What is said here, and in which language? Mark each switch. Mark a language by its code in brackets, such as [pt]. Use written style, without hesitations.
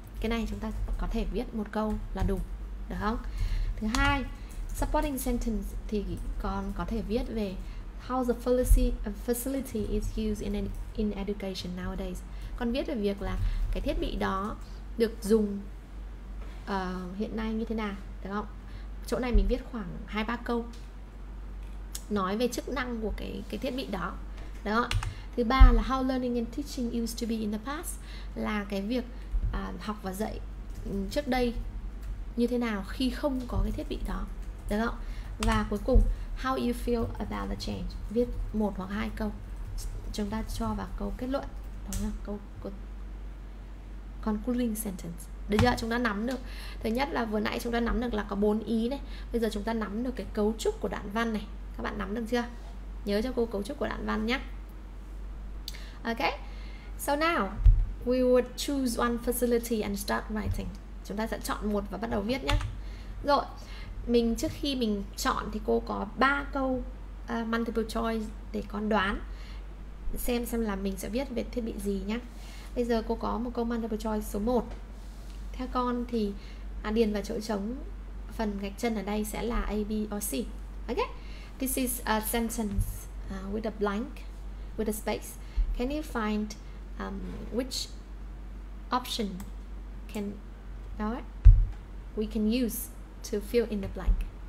[vi] Cái này chúng ta có thể viết một câu là đủ, được không? Thứ hai, supporting sentence thì còn có thể viết về [en] how the facility is used in education nowadays. [vi] Con viết về việc là cái thiết bị đó được dùng hiện nay như thế nào, được không? Chỗ này mình viết khoảng 2-3 câu nói về chức năng của cái thiết bị đó, được không? Thứ ba là [en] how learning and teaching used to be in the past, [vi] là cái việc học và dạy trước đây như thế nào khi không có cái thiết bị đó, được không? Và cuối cùng, [en] how you feel about the change, [vi] viết một hoặc hai câu chúng ta cho vào câu kết luận, đúng không? Câu concluding sentence. Được chưa? Chúng ta nắm được, thứ nhất là vừa nãy chúng ta nắm được là có bốn ý này, bây giờ chúng ta nắm được cái cấu trúc của đoạn văn này. Các bạn nắm được chưa? Nhớ cho cô cấu trúc của đoạn văn nhé. [en] Okay, so now we would choose one facility and start writing. [vi] Chúng ta sẽ chọn một và bắt đầu viết nhé. Rồi, mình trước khi mình chọn thì cô có 3 câu multiple choice để con đoán xem là mình sẽ viết về thiết bị gì nhé. Bây giờ cô có một câu multiple choice số 1. Theo con thì điền vào chỗ trống phần gạch chân ở đây sẽ là A, B or C. [en] Okay, this is a sentence with a blank, with a space. Can you find which option can we can use to fill in the blank?